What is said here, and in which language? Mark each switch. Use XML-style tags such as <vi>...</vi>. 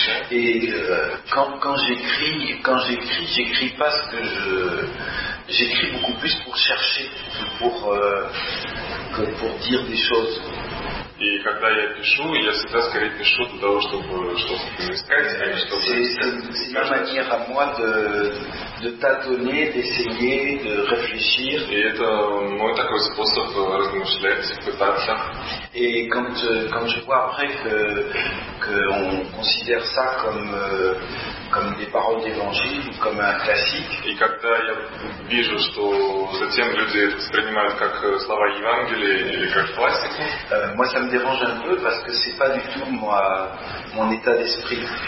<fr>Et quand j'écris, j'écris pas ce que je. J'écris beaucoup plus pour chercher que pour dire des choses.</fr> <ru>И когда я пишу, я всегда скорее пишу для того, чтобы что-то искать, а не чтобы...</ru> <fr>C'est ma manière à moi de tâtonner, d'essayer, de réfléchir.</fr> <ru>И это мой такой способ размышлять, пытаться.</ru> <fr>Et quand je vois après qu'on considère ça comme des paroles d'évangile, comme un classique.</fr> <ru>И когда я вижу, что затем люди это воспринимают как слова Евангелия или как классику.</ru> <fr>Ça me dérange un peu parce que c'est pas du tout mon état d'esprit.</fr>